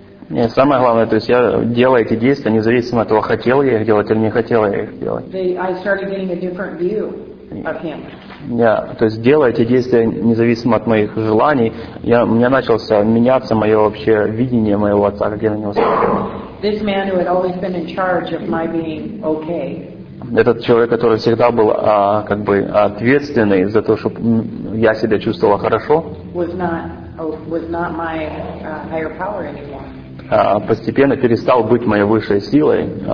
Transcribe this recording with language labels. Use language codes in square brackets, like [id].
[ru] Не, самое главное, то есть я делаю эти действия, независимо от того, хотел я их делать или не хотел я их делать. [en] I started getting a different view of him. [ru] То есть делаю эти действия независимо от моих желаний. У меня начался меняться мое вообще видение моего отца, как я на него смотрел. [en] This man who had always been in charge of my being okay. [ru] Этот человек, который всегда был как бы ответственный за то, чтобы я себя чувствовала хорошо, [en] was not my higher power anymore. [ru] Постепенно перестал быть моей высшей силой.